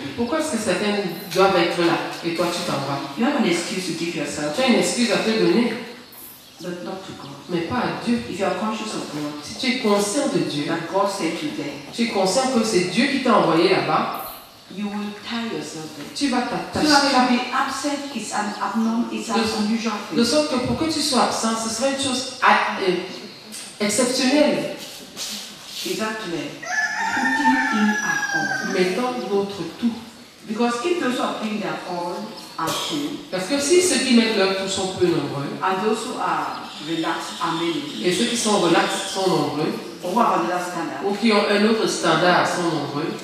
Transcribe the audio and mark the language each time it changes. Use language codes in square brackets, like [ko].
[fr] Pourquoi est-ce que certains doivent être là et toi tu t'en vas? [en] You have an excuse to give yourself. [fr] Tu as une excuse à te donner. [en] But not to God. [fr] Mais pas à Dieu. [en] If you are conscious of God, [fr] si tu es conscient de Dieu, [en] that God sent you there. [fr] Tu es conscient que c'est Dieu qui t'a envoyé là-bas. [en] You will tie yourself. [fr] Tu vas t'attacher. [en] So that you be absent is an abnormal, it's an unusual thing. [fr] De sorte que pour que tu sois absent, ce serait une chose exceptionnelle. Exactement. [en] Putting in our all. [fr] Mettons notre tout. [en] Because if those who are putting their all are few. [fr] Parce que si ceux qui mettent leur tout sont peu nombreux. [en] And those who are relaxed are many. [fr] Et ceux qui sont relaxés sont nombreux. [en] Or who have another standard. [fr] Ou qui ont un autre standard sont nombreux.